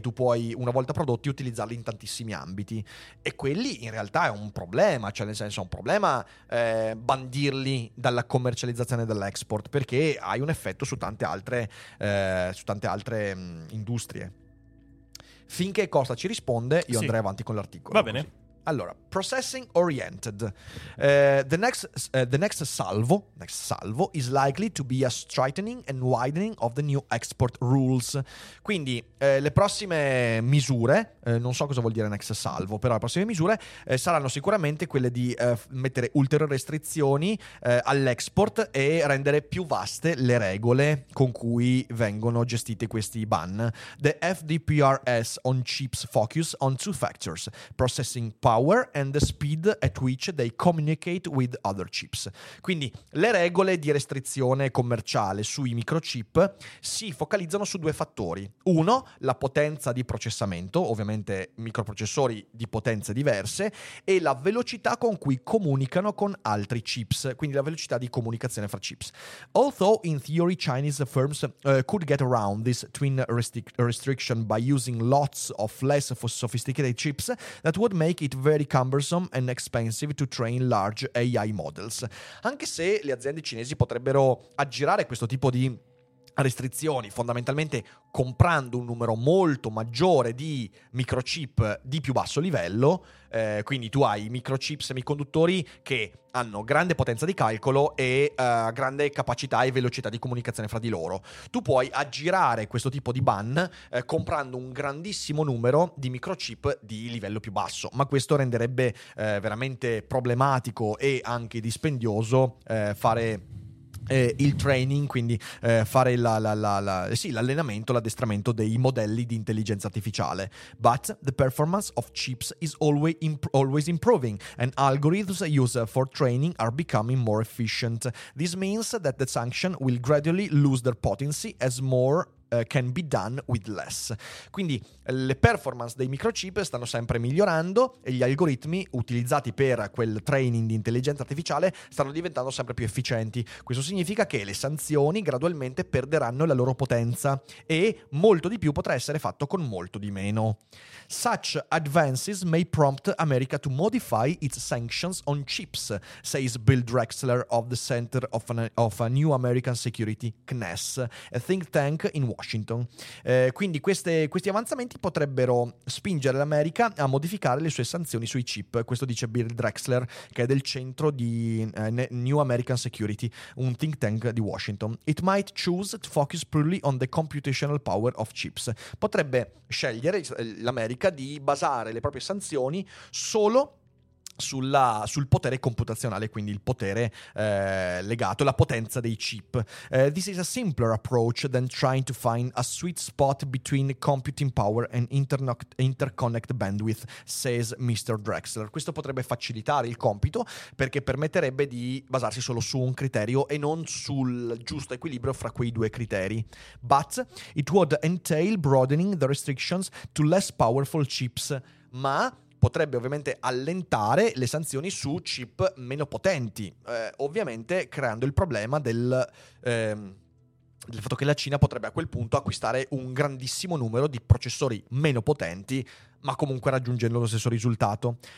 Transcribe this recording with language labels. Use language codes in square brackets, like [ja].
[it] Tu puoi, una volta prodotti, utilizzarli in tantissimi ambiti e quelli in realtà è un problema, cioè nel senso è un problema bandirli dalla commercializzazione e dall'export, perché hai un effetto su tante altre industrie. Finché Costa ci risponde, io andrei avanti con l'articolo. Va bene. Così. Allora, processing oriented. [en] The next salvo is likely to be a straightening and widening of the new export rules. [it] Quindi, le prossime misure, non so cosa vuol dire [en] next salvo, [it] però le prossime misure saranno sicuramente quelle di mettere ulteriori restrizioni all'export e rendere più vaste le regole con cui vengono gestiti questi ban. [en] The FDPRS on chips focus on two factors: processing power and the speed at which they communicate with other chips. [it] Quindi le regole di restrizione commerciale sui microchip si focalizzano su due fattori. Uno, la potenza di processamento, ovviamente microprocessori di potenze diverse, e la velocità con cui comunicano con altri chips, quindi la velocità di comunicazione fra chips. [en] Although in theory Chinese firms could get around this twin restriction by using lots of less sophisticated chips, that would make it very cumbersome and expensive to train large AI models. [it] Anche se le aziende cinesi potrebbero aggirare questo tipo di restrizioni, fondamentalmente comprando un numero molto maggiore di microchip di più basso livello, quindi tu hai microchip semiconduttori che hanno grande potenza di calcolo e grande capacità e velocità di comunicazione fra di loro. Tu puoi aggirare questo tipo di ban comprando un grandissimo numero di microchip di livello più basso, ma questo renderebbe veramente problematico e anche dispendioso fare il training, quindi fare l'allenamento, l'addestramento dei modelli di intelligenza artificiale. [en] But the performance of chips is always improving and algorithms used for training are becoming more efficient. This means that the sanction will gradually lose their potency as more can be done with less. [it] Quindi le performance dei microchip stanno sempre migliorando e gli algoritmi utilizzati per quel training di intelligenza artificiale stanno diventando sempre più efficienti. Questo significa che le sanzioni gradualmente perderanno la loro potenza e molto di più potrà essere fatto con molto di meno. [en] Such advances may prompt America to modify its sanctions on chips, says Bill Drexler of the Center of a New American Security, CNES, a think tank in Washington. [it] Quindi questi avanzamenti potrebbero spingere l'America a modificare le sue sanzioni sui chip. Questo dice Bill Drexler, che è del centro di New American Security, un think tank di Washington. [en] It might choose to focus purely on the computational power of chips. [it] Potrebbe scegliere l'America di basare le proprie sanzioni solo sul potere computazionale, quindi il potere legato alla potenza dei chip. [en] This is a simpler approach than trying to find a sweet spot between computing power and interconnect bandwidth, says Mr. Drexler. [it] Questo potrebbe facilitare il compito perché permetterebbe di basarsi solo su un criterio e non sul giusto equilibrio fra quei due criteri. [en] But it would entail broadening the restrictions to less powerful chips. [it] Ma potrebbe ovviamente allentare le sanzioni su chip meno potenti, ovviamente creando il problema del fatto che la Cina potrebbe a quel punto acquistare un grandissimo numero di processori meno potenti, ma comunque raggiungendo lo stesso risultato.